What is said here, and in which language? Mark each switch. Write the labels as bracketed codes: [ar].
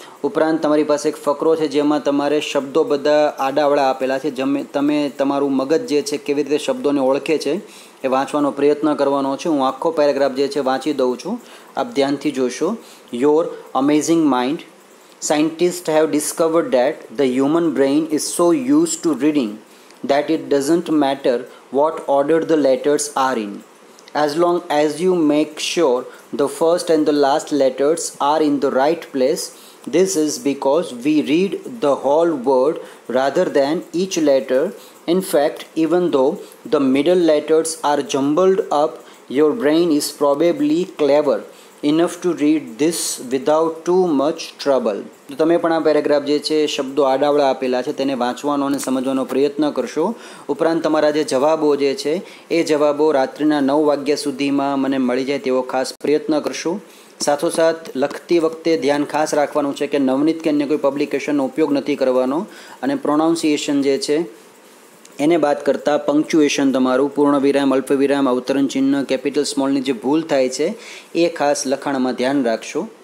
[gu] ઉપરાંત તમારી પાસે એક ફકરો છે જેમાં તમારે શબ્દો બધા આડાવાળા આપેલા છે, જેમ તમે તમારું મગજ જે છે કેવી રીતે શબ્દોને ઓળખે છે એ વાંચવાનો પ્રયત્ન કરવાનો છે. હું આખો પેરેગ્રાફ જે છે વાંચી દઉં છું, આપ ધ્યાનથી જોશો. [en] Your amazing mind, scientist have discovered that the human brain is so use to reading that it doesn't matter what order the letters are in. As long as you make sure the first and the last letters are in the right place, this is because we read the whole word rather than each letter. In fact, even though the middle letters are jumbled up, your brain is probably clever enough to read this without too much trouble. [gu] તો તમે પણ આ paragraph જે છે શબ્દો આડાવળા આપેલા છે તેને વાંચવાનો અને સમજવાનો પ્રયત્ન કરશો. ઉપરાંત તમારા જે જવાબો જે છે એ જવાબો રાત્રિના 9 વાગ્યા સુધીમાં મને મળી જાય તેવો ખાસ પ્રયત્ન કરશો. સાથોસાથ લખતી વખતે ધ્યાન ખાસ રાખવાનું છે કે નવનીત કે અન્ય કોઈ પબ્લિકેશનનો ઉપયોગ નથી કરવાનો અને પ્રોનાઉન્સિએશન જે છે એને બાદ કરતાં પંક્ચ્યુએશન તમારું પૂર્ણ વિરામ અલ્પ વિરામ અવતરણ ચિહ્ન કેપિટલ સ્મોલની જે ભૂલ થાય છે એ ખાસ લખાણમાં ધ્યાન રાખશો.